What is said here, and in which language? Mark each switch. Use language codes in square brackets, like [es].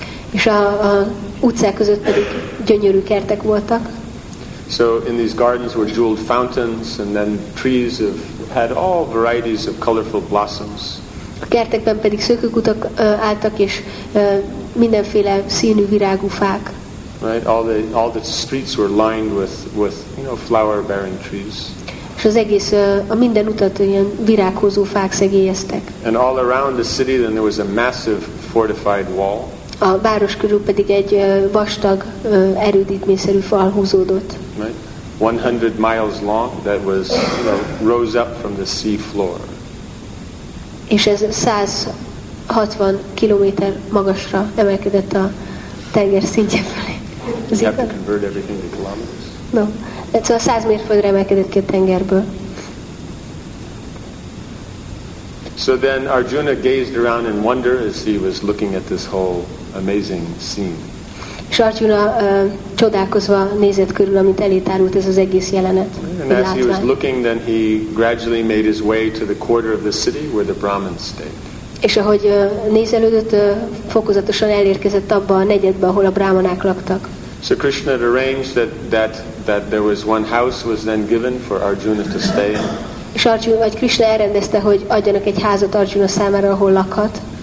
[hu] És a utcák között pedig gyönyörű kertek voltak. [en] So in these gardens were jeweled fountains and then trees of had all varieties of colorful blossoms. [hu] A kertekben pedig szökőkutak álltak és mindenféle színű virágú fák. [en] Right, all the streets were lined with you know flower bearing trees. [hu] És az egész a minden utat ilyen virághozó fák szegélyeztek. [en] And all around the city then there was a massive fortified wall. [hu] a város körül pedig egy vastag erődítményszerű fal húzódott. [en] Right. 100 miles long that was, you know, rose up from the sea floor. [hu] És ez 160 kilométer magasra emelkedett a tenger szintje felé. [en] You have to convert everything to kilometers. No. [hu] Szóval 100 mérföldre emelkedett ki a tengerből. [en] So then Arjuna gazed around in wonder as he was looking at this whole amazing scene. [hu] És Arjuna csodálkozva nézett körül, amit elétárult ez az egész jelenet. [en] And as he was looking, then he gradually made his way to the quarter of the city where the Brahmins stayed. [hu] És ahogy nézelődött, fokozatosan elérkezett abba a negyedbe, ahol a brahmanák laktak. [en] So Krishna had arranged that there was one house was then given for Arjuna to stay in. [hu] És Arjuna, vagy Krishna elrendezte, hogy adjanak egy házat Arjuna számára, ahol lakhat.